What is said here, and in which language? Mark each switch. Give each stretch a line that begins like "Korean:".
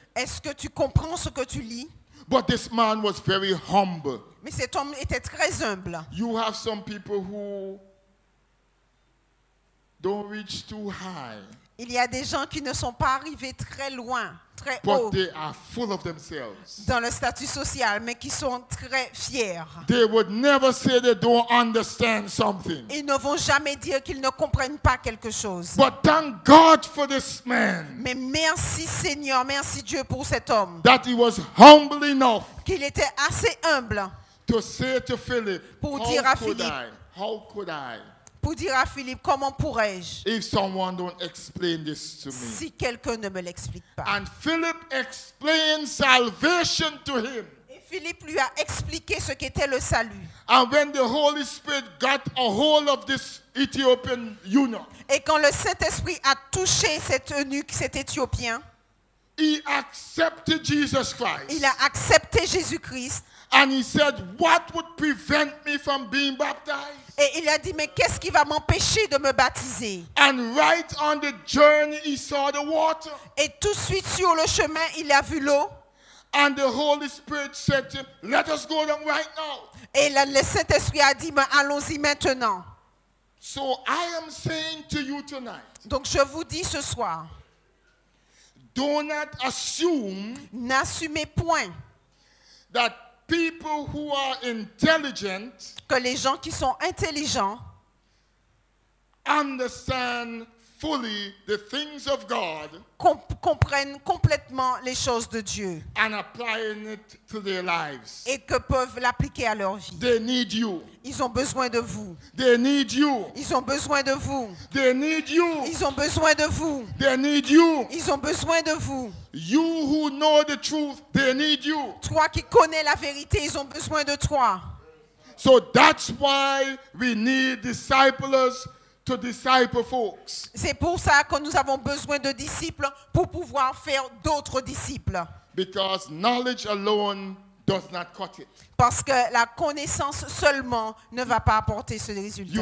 French: Est-ce que tu comprends ce que tu lis?
English: But this man was very humble.
French: Mais cet homme était très humble.
English: You have some people who don't reach too high.
French: Il y a des gens qui ne sont pas arrivés très loin, très
English: but
French: haut.
English: They are full of themselves.
French: Dans le statut social, mais qui sont très fiers.
English: They would never say they don't understand something.
French: Ils ne vont jamais dire qu'ils ne comprennent pas quelque chose.
English: But thank God for this man.
French: Mais merci Seigneur, merci Dieu pour cet homme.
English: That he was humble enough.
French: Qu'il était assez humble.
English: To say to Philip,
French: pour dire à Philippe,
English: how could I?
French: Pour dire à Philippe, comment pourrais-je?
English: If someone don't explain this to me.
French: Si quelqu'un ne me l'explique pas.
English: And Philip explained salvation to him.
French: Et Philippe lui a expliqué ce qu'était le salut.
English: And when the Holy Spirit got a hold of this Ethiopian eunuch.
French: Et quand le Saint-Esprit a touché cet eunuque, cet Éthiopien.
English: He accepted Jesus Christ.
French: Il a accepté Jésus-Christ.
English: And he said, what would prevent me from being baptized?
French: Et il a dit, mais qu'est-ce qui va m'empêcher de me baptiser?
English: And right on the journey, he saw the water.
French: Et tout de suite sur le chemin, il a vu l'eau.
English: And the Holy Spirit said to him, let us go down right now.
French: Et le Saint-Esprit a dit, mais allons-y maintenant.
English: So I am saying to you tonight.
French: Donc je vous dis ce soir.
English: Do not assume.
French: N'assumez point.
English: That people who are intelligent,
French: que les gens qui sont intelligents,
English: understand fully the things of God,
French: comprennent complètement les choses de Dieu,
English: and applying it to their lives,
French: et que peuvent l'appliquer à leur vie.
English: They need you.
French: Ils ont besoin de vous.
English: They need you.
French: Ils ont besoin de vous.
English: They need you.
French: Ils ont besoin de vous.
English: They need you.
French: Ils ont besoin de vous.
English: You who know the truth, they need you.
French: Toi qui connais la vérité, ils ont besoin de toi.
English: So that's why we need disciples to disciple folks.
French: C'est pour ça que nous avons besoin de disciples pour pouvoir faire d'autres disciples.
English: Because knowledge alone does not cut it.
French: Parce que la connaissance seulement ne va pas apporter ce résultat.